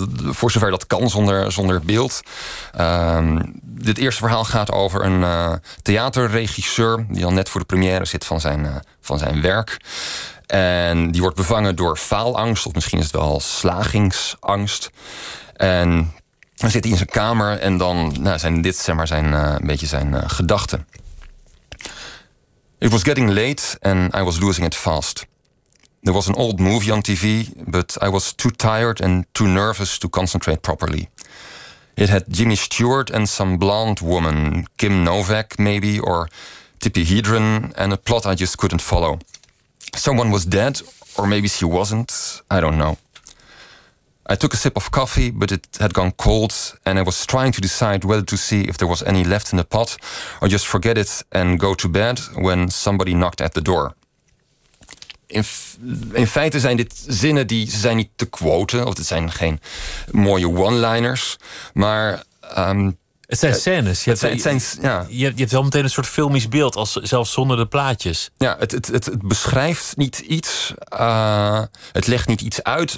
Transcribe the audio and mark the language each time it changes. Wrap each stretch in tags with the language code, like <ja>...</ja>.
<nl>Voor zover dat kan zonder beeld. Dit eerste verhaal gaat over een theaterregisseur die al net voor de première zit van zijn werk. En die wordt bevangen door faalangst, of misschien is het wel slagingsangst. En dan zit hij in zijn kamer en dan zijn gedachten.</nl> <en>It was getting late and I was losing it fast. There was an old movie on TV, but I was too tired and too nervous to concentrate properly. It had Jimmy Stewart and some blonde woman, Kim Novak maybe, or Tippi Hedren, and a plot I just couldn't follow. Someone was dead, or maybe she wasn't, I don't know. I took a sip of coffee, but it had gone cold, and I was trying to decide whether to see if there was any left in the pot, or just forget it and go to bed when somebody knocked at the door.</en> <nl>In feite zijn dit zinnen die zijn niet te quoten. Of het zijn geen mooie one-liners. Maar het zijn scènes. Je hebt wel meteen een soort filmisch beeld. Als, zelfs zonder de plaatjes. Ja, het beschrijft niet iets. Het legt niet iets uit.</nl>